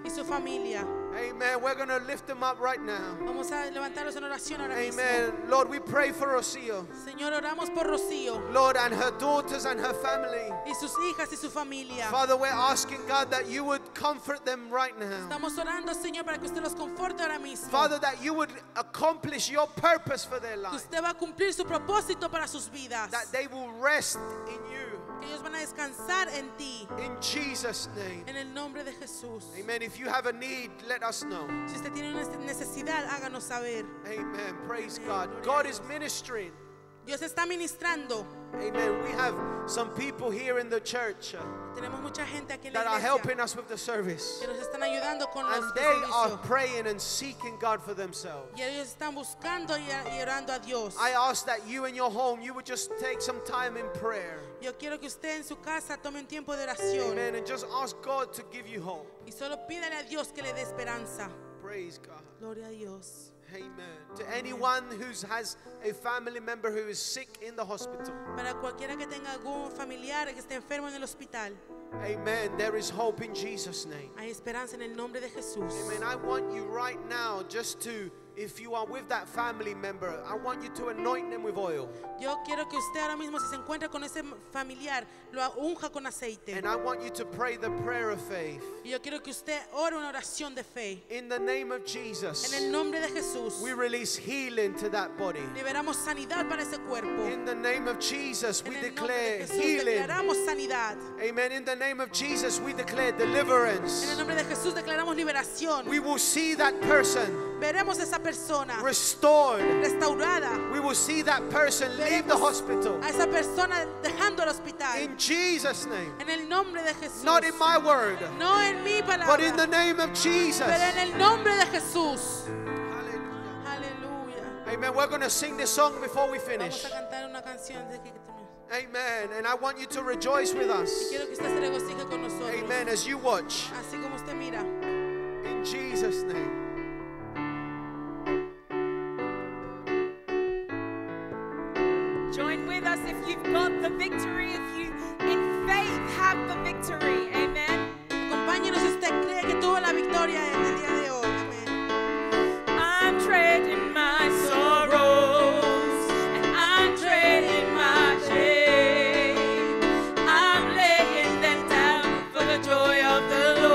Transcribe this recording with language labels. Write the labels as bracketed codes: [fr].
[es] Y su familia. [en] Amen. We're going to lift them up right now. [es] Vamos a levantarlos en oración ahora [en] Amen. [es] Mismo. [en] Amen. Lord, we pray for Rocio. [es] Señor, oramos por Rocio. [en] Lord, and her daughters and her family. [es] Y sus hijas y su familia. [en] Father, we're asking God that you would comfort them right now. [es] Estamos orando, Señor, para que usted los conforte ahora mismo. [en] Father, that you would accomplish your purpose for their life. [es] Usted va a cumplir su propósito para sus vidas. [en] That they will rest in you. [es] Ellos van a descansar en ti. [en] In Jesus' name. [es] En el nombre de Jesús. [en] Amen. If you have a need, let us know. [es] Si usted tiene una necesidad, háganos saber. [en] Amen. Praise Amen. God. God is ministering. [es] Dios está ministrando. [en] Amen. We have some people here in the church that are helping us with the service. And they are praying and seeking God for themselves. I ask that you in your home, you would just take some time in prayer. Amen. And just ask God to give you hope. Praise God. Amen. To anyone who has a family member who is sick in the hospital. [es] Para cualquiera que tenga algún familiar que esté enfermo en el hospital. [en] Amen. There is hope in Jesus' name. [es] Hay esperanza en el nombre de Jesús. [en] Amen. I want you right now just to, if you are with that family member, I want you to anoint them with oil. [es] Yo quiero que usted ahora mismo, si se encuentra con ese familiar, lo unja con aceite. [en] And I want you to pray the prayer of faith. [es] Yo quiero que usted ore una oración de fe. [en] In the name of Jesus. [es] En el nombre de Jesús. [en] We release healing to that body. [es] Liberamos sanidad para ese cuerpo. [en] In the name of Jesus, we declare [es] Jesús, [en] healing. [es] Declaramos sanidad. [en] Amen. In the name of Jesus, we declare deliverance. [es] En el nombre de Jesús, declaramos liberación. [en] We will see that person. [es] Veremos esa persona [en] restored. [es] Restaurada. [en] We will see that person [es] veremos [en] leave the hospital. [es] A esa persona dejando el hospital. [en] In Jesus' name. [es] En el nombre de Jesús. [en] Not in my word. [es] No en mi palabra. [en] But in the name of Jesus. [es] Pero en el nombre de Jesús. [en] Hallelujah. Hallelujah. Amen. We're going to sing this song before we finish. [es] Vamos a cantar una canción de que [en] Amen. And I want you to rejoice with us. [es] Y quiero que usted se regocije con nosotros. [en] Amen. As you watch. [es] Así como usted mira. [en] In Jesus' name. Join with us if you've got the victory, if you in faith have the victory. Amen. [es] Acompáñenos si usted cree que tuvo la victoria en el día de hoy. [en] Amen. I'm treading my sorrows and I'm treading my shame. I'm laying them down for the joy of the